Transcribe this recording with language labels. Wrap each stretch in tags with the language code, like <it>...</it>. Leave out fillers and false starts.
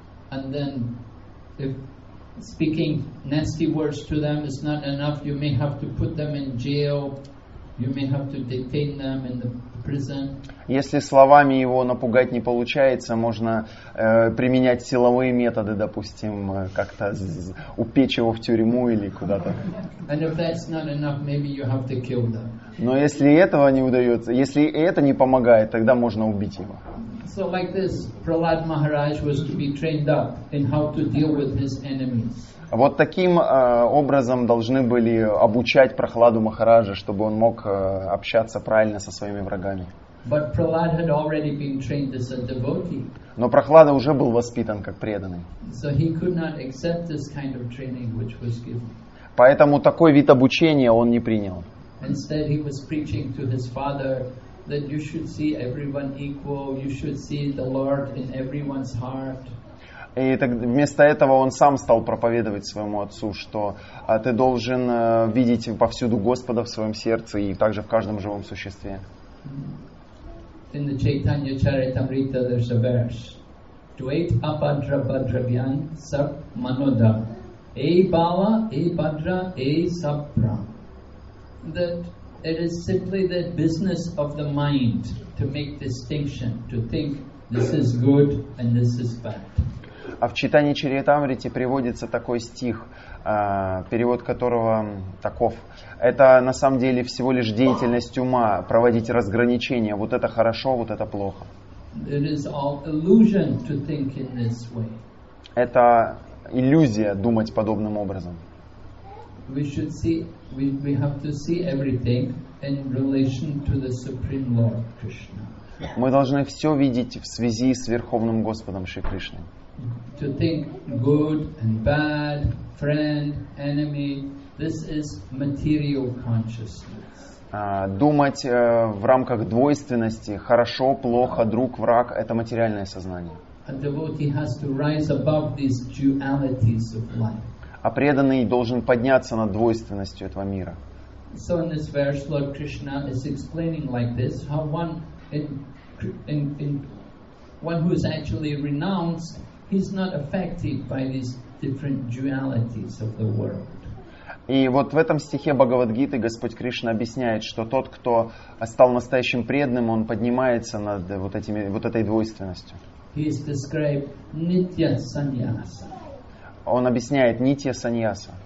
<en>And then if speaking nasty words to them is not enough, you may have to put them in jail. You may have to detain them in the prison.</en> <ru>Если словами его напугать не получается, можно применять силовые методы, допустим, как-то упечь его в тюрьму или куда-то.</ru> <en>And if that's not enough, maybe you have to kill them.</en> <ru>Но если этого не удается, если это не помогает, тогда можно убить его.</ru> <en>So like this, Prahlad Maharaj was to be trained up in how to deal with his enemies.</en> <ru>Вот таким образом должны были обучать Прохладу Махараджа, чтобы он мог общаться правильно со своими врагами.</ru> <en>But Prahlad had already been trained as a devotee.</en> <ru>Но Прохлада уже был воспитан как преданный.</ru> <en>So he could not accept this kind of training which was given.</en> <ru>Поэтому такой вид обучения он не принял.</ru> <en>Instead he was preaching to his father that you should see everyone equal, you should see the Lord in everyone's heart.</en> <ru>И так, вместо этого он сам стал проповедовать своему отцу, что ты должен видеть повсюду Господа в своем сердце и также в каждом живом существе.</ru> <en>In the Chaitanya Charitamrita there's a verse. Dvait apadra badravyan sap manoda. E bala e badra e sapra. That it is simply the business of the mind to make distinction, to think this is good and this is bad.</en> <ru>А в Читании Чаритамрите приводится такой стих, перевод которого таков. Это на самом деле всего лишь деятельность ума, проводить разграничение. Вот это хорошо, вот это плохо.</ru> <en>It is all illusion to think in this way.</en> <ru>Это иллюзия думать подобным образом.</ru> <en>We should see, we have to see everything in relation to the Supreme Lord Krishna.</en> <ru>Мы должны все видеть в связи с Верховным Господом Шри Кришной.</ru> <en>To think good and bad, friend, enemy, this is material consciousness.</en> <ru>Думать в рамках двойственности, хорошо, плохо, друг, враг, это материальное сознание.</ru> <en>A devotee has to rise above these dualities of life.</en> <ru>А преданный должен подняться над двойственностью этого мира.</ru> <en>So in this verse, Lord Krishna is explaining like this, how one who is actually renounced, he's not affected by these different dualities of the world.</en> <ru>И вот в этом стихе Бхагавад-гиты Господь Кришна объясняет, что тот, кто стал настоящим преданным, он поднимается над этой двойственностью.</ru> <en>He is described nitya sannyasa.</en> <ru>Он объясняет нитья саньяса.</ru>